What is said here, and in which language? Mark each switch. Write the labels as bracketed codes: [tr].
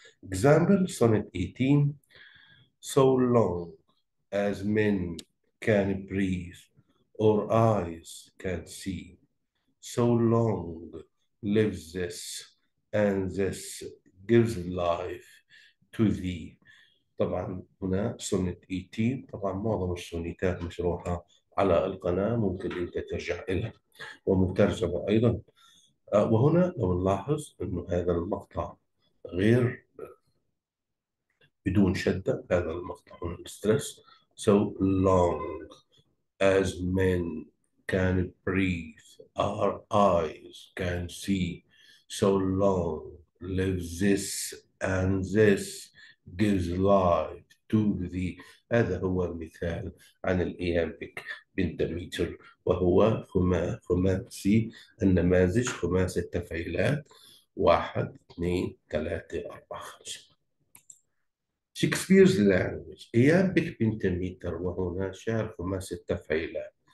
[en] Example, Sonnet 18. So long as men can breathe, Our eyes can't see. So long lives this, and this gives life to thee. [ar] طبعا هنا سونت 18، طبعا معظم السونيتات مشروحه على القناه، ممكن انت ترجع لها ومترجمه ايضا. وهنا لو نلاحظ انه هذا المقطع غير بدون شده، هذا المقطع هنا الستريس. [en] So long as men can breathe, our eyes can see. So long lives this and this gives life to thee. [ar] هذا هو مثال عن الإيامبيك بالدميتر، وهو خماسي النماذج، خماسي التفعيلات، واحد اثنين ثلاثة أربعة خمسة. شكسبيرز لانجويج إيامبيك بنتميتر، وهنا شعر خماسي التفعيلات.